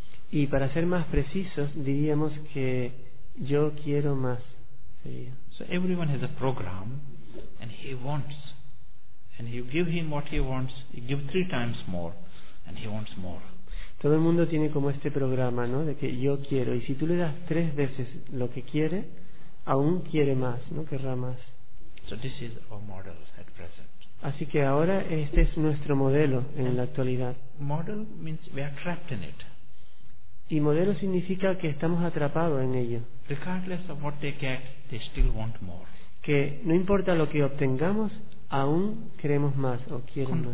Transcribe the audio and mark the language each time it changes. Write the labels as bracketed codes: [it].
[es] Y para ser más precisos, diríamos que Yo quiero más. [en] So everyone has a program and he wants. And you give him what he wants, you give three times more and he wants more. [es] Todo el mundo tiene como este programa, ¿no? De que yo quiero. Y si tú le das tres veces lo que quiere, aún quiere más, ¿no? Querrá más. [en] So this is our model at present. [es] Así que ahora este es nuestro modelo en la actualidad. [en] Model means we are trapped in it. [es] Y modelo significa que estamos atrapados en ello. [en] Regardless of what they get, they still want more. [es] Que no importa lo que obtengamos, aún queremos más o quieren más.